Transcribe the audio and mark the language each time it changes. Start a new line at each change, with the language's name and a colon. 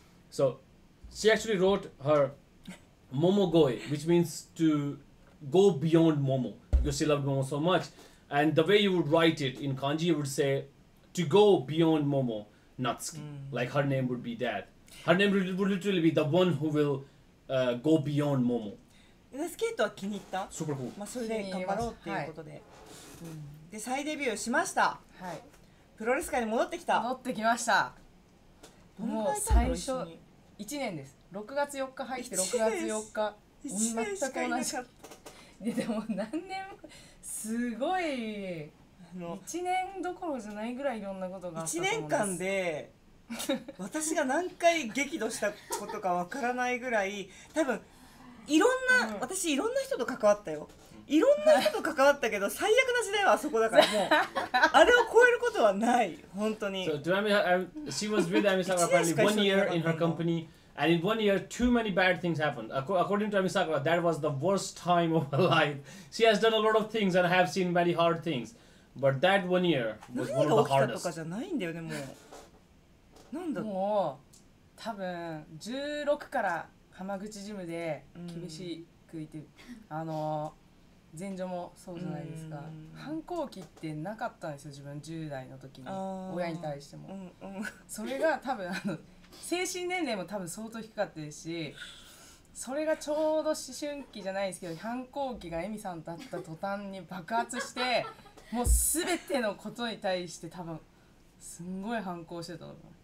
English: So she actually wrote her Momogoe, which means to go beyond Momo, because she loved Momo so much. And the way you would write it in kanji, you would say to go beyond Momo, Natsuki. Like her name would be that. Her name would literally be the one who will、go beyond Momo.
Japanese: Natsuki とは気に入った。
English: Super cool.
Japanese: まあそれで頑張ろうっていうことで、で再デビューしました。はい。プロレス界に戻ってきた。戻ってきました。どのくらいたの？もう最初1年です。6月4日入って6月4日。 1年しかいなかった。でも何年も、すごい。 1年どころじゃないぐらいいろんなことがあったと思うんです。 1年間で。私が何回激怒したことかわからないぐらい、多分いろんな、私いろんな人と関わったよ、いろんな人と関わったけど、最悪な時代はあそこだから、もうあれを超えることはない、本当に。
English: So, do you remember, she was with Amisaka apparently 1 year in her company, and in 1 year too many bad things happened. According to Amisaka, that was the worst time of her life. She has done a lot of things and have seen many hard things, but that 1 year was one of the hardest.
Japanese: 何が起きたとかじゃないんだよね、もう。なんだ、もう多分16から浜口ジムで厳しくいて、あの前女もそうじゃないですか、反抗期ってなかったんですよ、自分10代の時に親に対しても、それが多分あの精神年齢も多分相当低かったですし、それがちょうど思春期じゃないですけど、反抗期がエミさんだった途端に爆発して、もう全てのことに対して多分すんごい反抗してたと思う。